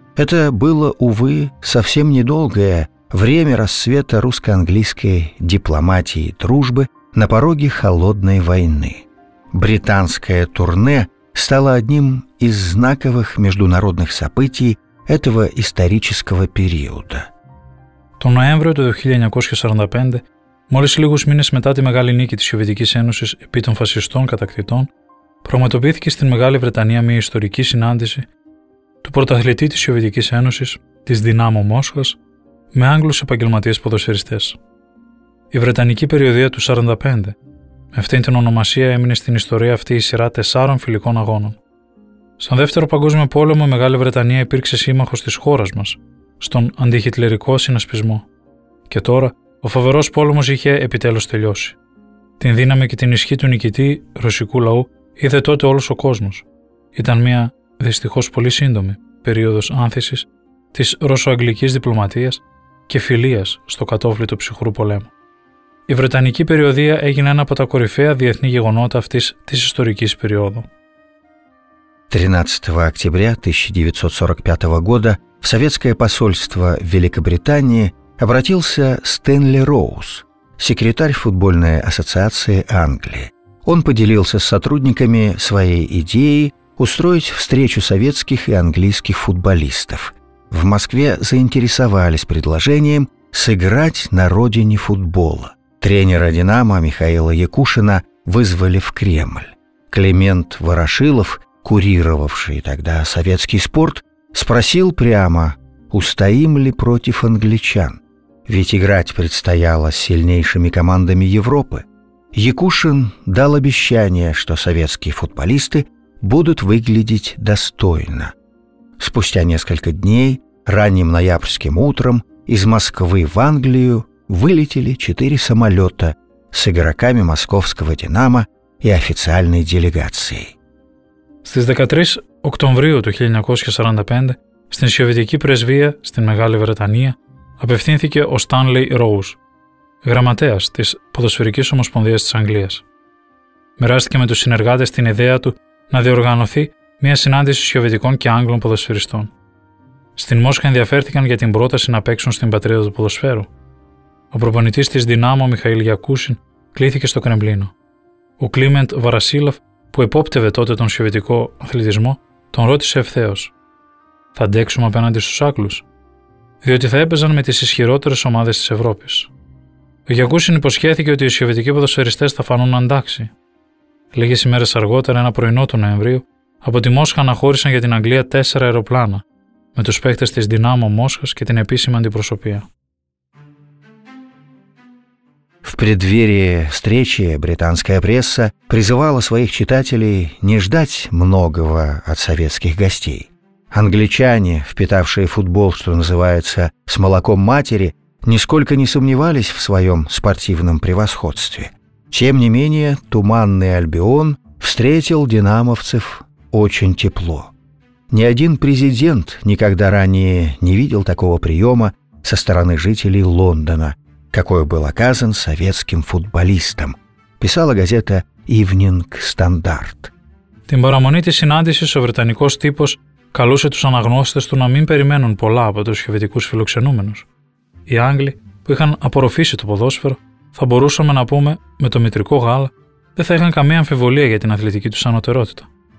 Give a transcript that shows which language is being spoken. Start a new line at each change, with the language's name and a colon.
Russian: Это было, увы, совсем недолгое время расцвета русско-английской дипломатии и дружбы на пороге холодной войны. Британское турне стало одним из знаковых международных событий этого исторического периода.
Greek: Το Νοέμβριο του 1945, μόλις λίγους μήνες μετά τη μεγάλη νίκη της Σοβιετικής Ένωσης επί των φασιστών κατακτητών, πραγματοποιήθηκε στην Μεγάλη Βρετανία μια ιστορική συνάντηση του πρωταθλητή της Σοβιετικής Ένωσης, της Δυνάμο Μόσχας, με Άγγλους επαγγελματίες ποδοσφαιριστές. η Βρετανική περιοδία του 45. Με αυτήν την ονομασία έμεινε στην ιστορία αυτή η σειρά τεσσάρων φιλικών αγώνων. Στον Δεύτερο Παγκόσμιο Πόλεμο, η Μεγάλη Βρετανία υπήρξε σύμμαχος της χώρας μας, στον αντιχιτλερικό συνασπισμό. Και τώρα, ο φοβερός πόλεμος είχε επιτέλους τελειώσει. Την δύναμη και την ισχύ του νικητή, ρωσικού λαού, είδε τότε όλος ο κόσμος. Ήταν μια, δυστυχώς πολύ σύντομη, περίοδος άνθησης της ρωσοαγγλικής διπλωματίας και φιλίας στο κατόφλι του ψυχρού πολέμου. Η Βρετανική περιοδία έγινε ένα από τα κορυφαία διεθνή γεγονότα αυτής της ιστορικής περίοδου.
Russian: 13 октября 1945 года в советское посольство Великобритании обратился Стэнли Роуз, секретарь футбольной ассоциации Англии. Он поделился с сотрудниками своей идеей устроить встречу советских и английских футболистов. В Москве заинтересовались предложением сыграть на родине футбола. Тренера «Динамо» Михаила Якушина вызвали в Кремль. Климент Ворошилов, курировавший тогда советский спорт, спросил прямо, устоим ли против англичан. Ведь играть предстояло с сильнейшими командами Европы. Якушин дал обещание, что советские футболисты будут выглядеть достойно. Спустя несколько дней, ранним ноябрьским утром, из Москвы в Англию вылетели 4 самолета с игроками московского «Динамо» и официальной делегацией.
Greek: Στις 13 Οκτωβρίου του 1945, στην Σοβιετική Πρεσβεία στην Μεγάλη Βρετανία, απευθύνθηκε ο Στάνλι Ρόουζ, γραμματέας της Ποδοσφαιρικής Ομοσπονδίας της Αγγλίας. Μοιράστηκε με τους συνεργάτες την ιδέα του να διοργανωθεί μια συνάντηση Σοβιετικών και Άγγλων ποδοσφαιριστών. Στην Μόσχα ενδιαφέρθηκαν για την πρόταση να παίξουν στην πατρίδα του ποδοσφαίρου. Ο προπονητής της Δυνάμο, Μιχαήλ Γιακούσιν, κλήθηκε στο Κρεμλίνο. Ο Κλίμεντ Βαρασίλοφ, που επόπτευε τότε τον σοβιετικό αθλητισμό, τον ρώτησε ευθέως: «Θα αντέξουμε απέναντι στους Άγγλους?» Διότι θα έπαιζαν με τις ισχυρότερες ομάδες της Ευρώπης. Ο Γιακούσιν υποσχέθηκε ότι οι σοβιετικοί ποδοσφαιριστές θα φανούν αντάξει. Λίγες ημέρες αργότερα, ένα πρωινό του Νοεμβρίου, από τη Μόσχα αναχώρησαν για την Αγγλία 4 αεροπλάνα, με τους παίκτες της Δυνάμο Μόσχας και την επίσημη αντιπροσωπεία.
Russian: В преддверии встречи британская пресса призывала своих читателей не ждать многого от советских гостей. Англичане, впитавшие футбол, что называется, с молоком матери, нисколько не сомневались в своем спортивном превосходстве. Тем не менее, туманный Альбион встретил динамовцев очень тепло. Ни один президент никогда ранее не видел такого приема со стороны жителей Лондона, какой был оказан советским футболистам, писала газета Evening Standard.
Greek: Την παραμονή της συνάντησης, ο Βρετανικός τύπος καλούσε τους αναγνώστες του να μην περιμένουν πολλά από τους σοβιετικούς φιλοξενούμενους. Οι Άγγλοι, που είχαν απορροφήσει το ποδόσφαιρο, θα μπορούσαμε να πούμε με το μητρικό γάλα, δεν θα είχαν καμία αμφιβολία για την αθλητική τους ανωτερότητα.